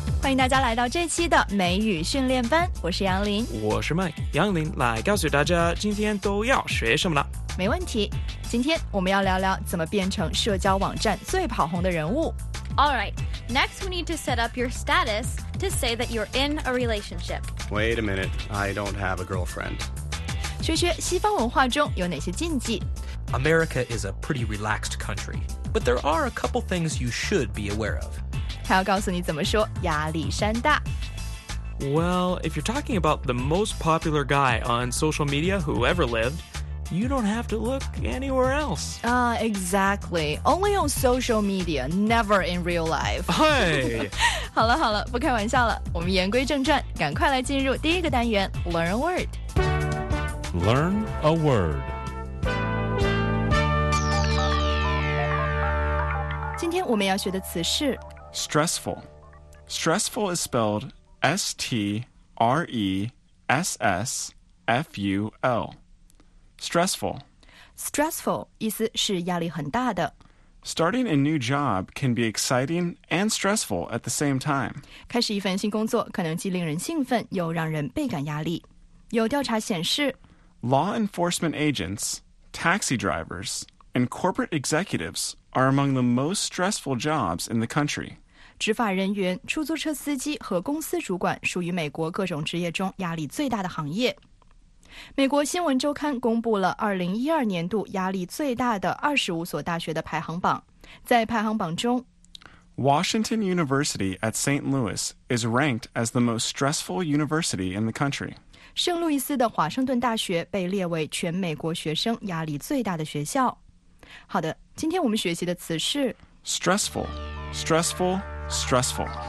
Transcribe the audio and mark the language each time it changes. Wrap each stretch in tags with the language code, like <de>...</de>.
<zh>迎大家来到这期的美语训练班，我是杨林，我是 Mike。杨林来告诉大家今天都要学什么了。没问题，今天我们要聊聊怎么变成社交网站最跑红的人物。</zh> <en>Alright, next we need to set up your status to say that you're in a relationship. Wait a minute, I don't have a girlfriend.</en> <zh>学学西方文化中有哪些禁忌。</zh> <en>America is a pretty relaxed country, but there are a couple things you should be aware of.</en> <zh>还要告诉你怎么说亚历山大。</zh> <en>Well, if you're talking about the most popular guy on social media who ever lived,You don't have to look anywhere else. Exactly. Only on social media, never in real life. Hey!</en> <zh>好了好了，不开玩笑了，我们言归正传，赶快来进入第一个单元</zh> <en>Learn a Word. Learn a Word.</en> <zh>今天我们要学的词是</zh> <en>Stressful. Stressful is spelled S-T-R-E-S-S-F-U-L. Stressful.</en> <zh>Stressful 意思是压力很大的。</zh> <en>Starting a new job can be exciting and stressful at the same time.</en> <zh>开始一份新工作可能既令人兴奋又让人倍感压力。有调查显示</zh> <en>Law enforcement agents, taxi drivers, and corporate executives are among the most stressful jobs in the country.</en> <zh>执法人员、出租车司机和公司主管属于美国各种职业中压力最大的行业。美国新闻周刊公布了2012年度压力最大的25所大学的排行榜。在排行榜中</zh> <en>Washington University at St. Louis is ranked as the most stressful university in the country.</en> <zh>圣路易斯的华盛顿大学被列为全美国学生压力最大的学校。好的，今天我们学习的词是</zh> <en>Stressful, stressful, stressful.</en>